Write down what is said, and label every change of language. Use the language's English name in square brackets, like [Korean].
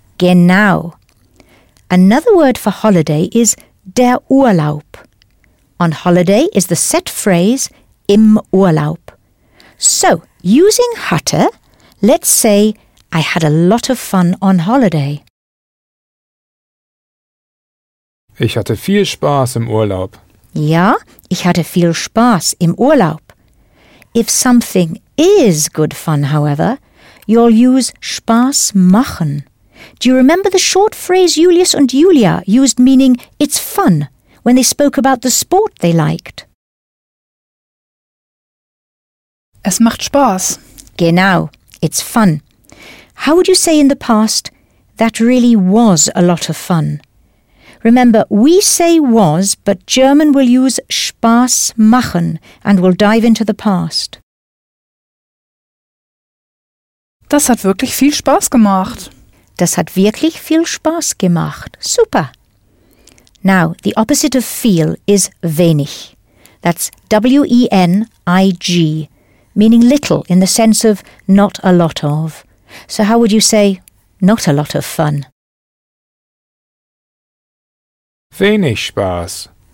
[German] Genau. [English] Another word for holiday is der Urlaub. On holiday is the set phrase [German] im Urlaub. [English] So, using hatte, let's say I had a lot of fun on holiday. [German] Ich hatte viel Spaß im Urlaub. Ja, ich hatte viel Spaß im Urlaub. [English] If something is good fun, however, you'll use [German] Spaß machen. [English] Do you remember the short phrase Julius und Julia used meaning it's fun when they spoke about the sport they liked? [German] Es macht Spaß. Genau, [English] it's fun. How would you say in the past, that really was a lot of fun? Remember, we say was, but German will use [German] Spaß machen [English] and will dive into the past. [German] Das hat wirklich viel Spaß gemacht. Das hat wirklich viel Spaß gemacht. Super. [English] Now, the opposite of viel is wenig. That's W-E-N-I-G, meaning little in the sense of not a lot of. So how would you say not a lot of fun? [German] Wenig Spaß.